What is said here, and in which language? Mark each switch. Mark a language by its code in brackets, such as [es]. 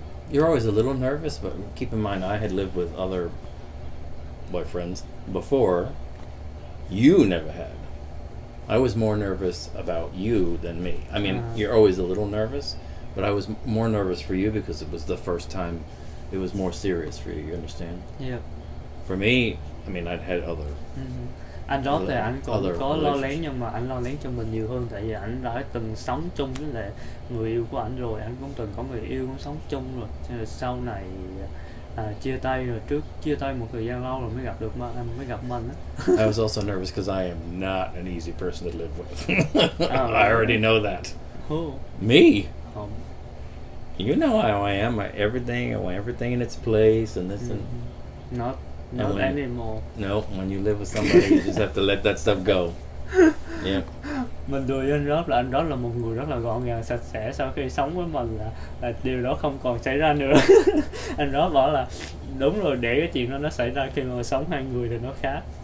[en] you're always a little nervous, but keep in mind I had lived with other boyfriends before. You never had. I was more nervous about you than me. I mean, you're always a little nervous, but I was more nervous for you because it was the first time it was more serious for you, you understand? Yeah. For me, I mean, I'd had other. [vi] Anh đó thì anh còn có lo lắng, nhưng mà anh lo lắng cho mình nhiều hơn, tại vì anh đã từng sống chung với lại người yêu của anh rồi, anh cũng từng có người yêu cũng sống chung rồi. Cho nên sau này chia tay rồi, trước chia tay một thời gian lâu rồi mới gặp được anh, mới gặp mình [en] á. I was also nervous because I am not an easy person to live with. I already know that. Who? Me. You know how I am. I want everything in its place and this and. Not when, anymore. No, when you live with somebody, you just have to let that stuff go. Yeah. [vi] Mình đùa với anh Rob là anh Rob là một người rất là gọn gàng sạch sẽ, sau khi sống với mình là điều đó không còn xảy ra nữa. Anh Rob bảo là đúng rồi, để cái chuyện đó nó xảy ra khi mà sống hai người thì nó khác.